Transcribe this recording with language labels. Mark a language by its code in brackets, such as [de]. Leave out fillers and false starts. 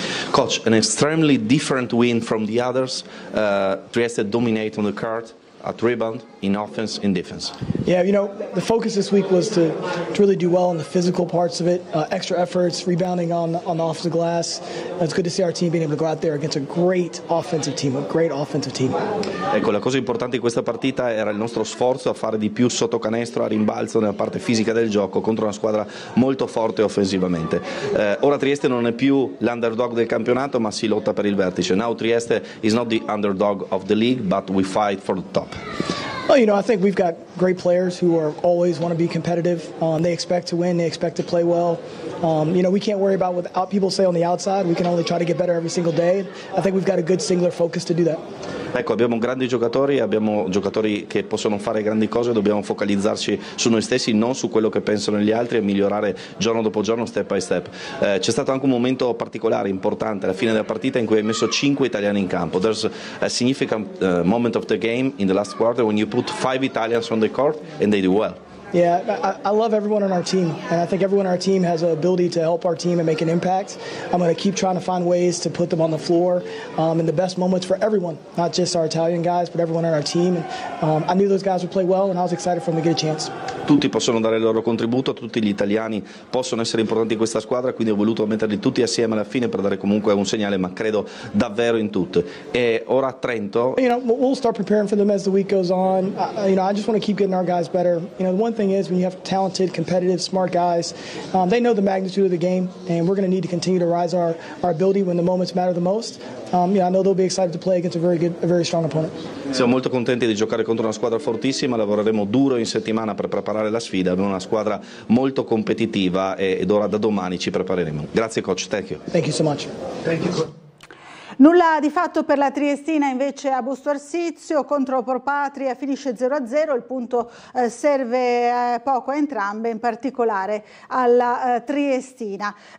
[en] Coach, an extremely different win from the others. Trieste dominate on the court, at rebound, in offense, in defense. Yeah, you know, the focus this week was to really do well in the physical parts of it, extra efforts, rebounding on off the glass. It's good to see our team being able to go out there against a great offensive team, a great offensive team. [it] Ecco, la cosa importante in questa partita era il nostro sforzo a fare di più sotto canestro, a rimbalzo, nella parte fisica del gioco, contro una squadra molto forte offensivamente. Ora Trieste non è più l'underdog del campionato, ma si lotta per il vertice. [en] Now Trieste is not the underdog of the league, but we fight for the top. Well, you know, I think we've got great players who are always want to be competitive. They expect to win, they expect to play well. You know, we can't worry about what people say on the outside. We can only try to get better every single day. I think we've got a good singular focus to do that. [it] Ecco, abbiamo grandi giocatori, abbiamo giocatori che possono fare grandi cose, dobbiamo focalizzarci su noi stessi, non su quello che pensano gli altri, e migliorare giorno dopo giorno, [en] step by step. [it] C'è stato anche un momento particolare, importante, alla fine della partita, in cui hai messo 5 italiani in campo. [en] There's a significant moment of the game in the last quarter when you put 5 Italians on the court and they do well. Yeah, I love everyone on our team, and I think everyone on our team has an ability to help our team and make an impact. I'm going to keep trying to find ways to put them on the floor in the best moments for everyone, not just our Italian guys, but everyone on our team. And, I knew those guys would play well, and I was excited for them to get a chance. [it] Tutti possono dare il loro contributo, tutti gli italiani possono essere importanti in questa squadra, quindi ho voluto metterli tutti assieme alla fine per dare comunque un segnale, ma credo davvero in tutto. E ora Trento. [en] You know, we'll start preparing for them as the week goes on. You know, I just want to keep getting our guys better. You know, one thing is, when you have talented, competitive, smart guys, they know the magnitude of the game, and we're going to need to continue to rise our ability when the moments matter the most. You know, I know they'll be excited to play against a very strong opponent. [it] Siamo molto contenti di giocare contro una squadra fortissima, lavoreremo duro in settimana per preparare la sfida. Abbiamo una squadra molto competitiva ed ora da domani ci prepareremo. Grazie coach, [en] thank you. Thank you so much. Thank you. [it] Nulla di fatto per la Triestina invece a Busto Arsizio, contro Pro Patria finisce 0-0, il punto serve poco a entrambe, in particolare alla Triestina.